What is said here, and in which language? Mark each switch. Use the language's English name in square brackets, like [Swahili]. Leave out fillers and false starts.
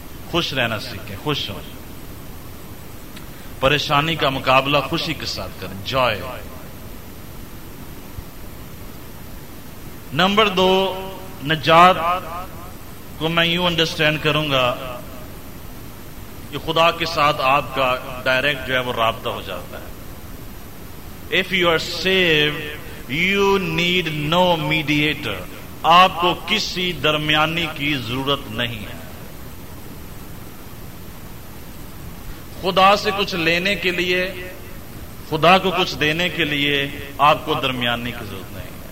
[Urdu] خوش رہنا سیکھیں, خوش ہوں, پریشانی کا مقابلہ خوشی کے ساتھ کریں, جوائے. نمبر دو, نجات کو میں یوں انڈرسٹینڈ کروں گا کہ خدا کے ساتھ آپ کا ڈائریکٹ جو ہے وہ رابطہ ہو جاتا ہے. [English] If you are saved, you need no mediator. [Urdu] آپ کو کسی درمیانی کی ضرورت نہیں ہے. خدا سے کچھ لینے کے لیے, خدا کو کچھ دینے کے لیے آپ کو درمیانی کی ضرورت نہیں ہے.